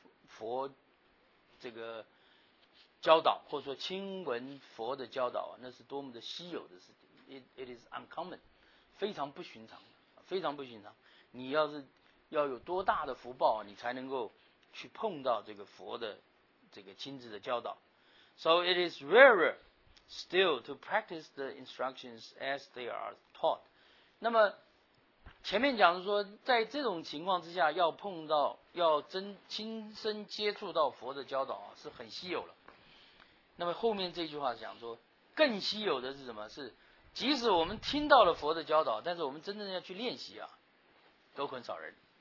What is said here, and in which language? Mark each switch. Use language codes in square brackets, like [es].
[zh] 佛这个教导，或者说亲闻佛的教导，那是多么的稀有的事情。 [en] It is uncommon， [zh] 非常不寻常，非常不寻常。你要是要有多大的福报，你才能够去碰到这个佛的这个亲自的教导。 [en] So it is rarer still to practice the instructions as they are taught。 [zh] 那么前面讲说，在这种情况之下，要碰到，要真亲身接触到佛的教导，是很稀有了。那么后面这句话讲说，更稀有的是什么？是即使我们听到了佛的教导，但是我们真正要去练习啊，都很少人。